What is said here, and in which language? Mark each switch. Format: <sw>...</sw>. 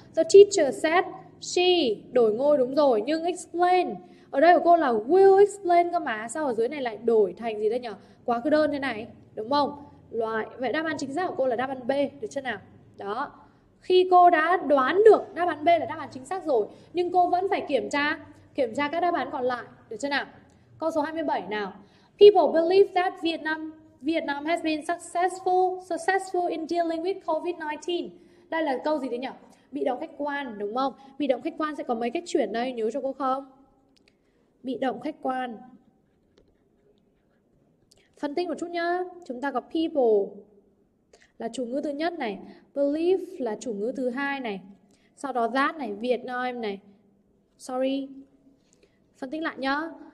<en>The teacher said she</en> <vi>đổi ngôi đúng rồi, nhưng explain ở đây của cô là</vi> <en>will explain</en> <vi>cơ mà, sao ở dưới này lại đổi thành gì đây nhỉ? Quá cứ đơn thế này, đúng không? Loại. Vậy đáp án chính xác của cô là đáp án B, được chưa nào? Đó. Khi cô đã đoán được đáp án B là đáp án chính xác rồi, nhưng cô vẫn phải kiểm tra các đáp án còn lại, được chưa nào? Câu số 27 nào.</vi> <en>People believe that Vietnam has been successful in dealing with COVID-19.</en> <vi>Đây là câu gì đấy nhỉ? Bị động khách quan đúng không? Bị động khách quan sẽ có mấy cách chuyển đây, nhớ cho cô không? Bị động khách quan. Phân tích một chút nhá. Chúng ta có people là chủ ngữ thứ nhất này, believe là chủ ngữ thứ hai này, sau đó that này, Vietnam này.</vi> <en>Sorry.</en> <vi>Phân tích lại nhá.</vi>